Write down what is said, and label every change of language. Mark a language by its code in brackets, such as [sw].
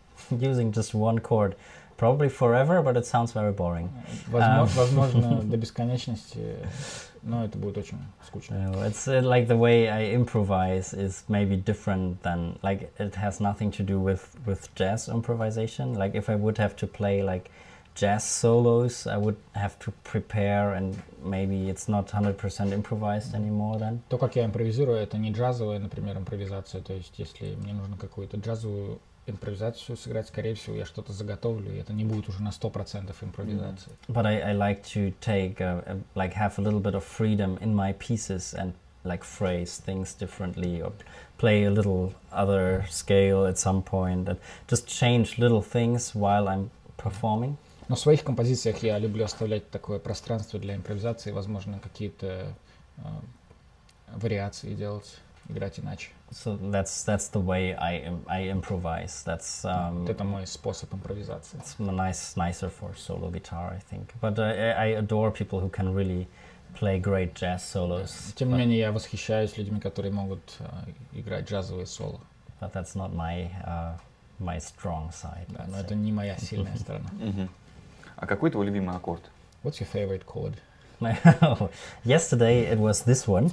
[en] Using just one chord. Probably forever, but it sounds very boring. [ru] Возможно, до бесконечности, но это будет очень скучно. [en] It's like the way I improvise is maybe different than, like, it has nothing to do with jazz improvisation. Like, if I would have to play, like, jazz solos, I would have to prepare, and maybe it's not 100% improvised anymore then. [ru] То, как я импровизирую, это не джазовая, например, импровизация. То есть, если мне нужно какую-то джазовую импровизацию сыграть, скорее всего, я что-то заготовлю, и это не будет уже на 100% импровизации. Mm-hmm. [en] But I like to take like have a little bit of freedom in my pieces and like phrase things differently or play a little other scale at some point and just change little things while I'm performing. [ru] Но в своих композициях я люблю оставлять такое пространство для импровизации, возможно, какие-то вариации делать, играть иначе. [en] So that's the way I improvise. That's [ru] это мой способ импровизации. [en] It's nicer for solo guitar, I think. But I adore people who can really play great jazz solos. [ru] Тем не менее, я восхищаюсь людьми, которые могут играть джазовые соло. [en] But that's not my strong side. [ru] Да, но это не моя сильная сторона. А какой твой любимый аккорд? [en] What's your favorite chord? Yesterday it was this one.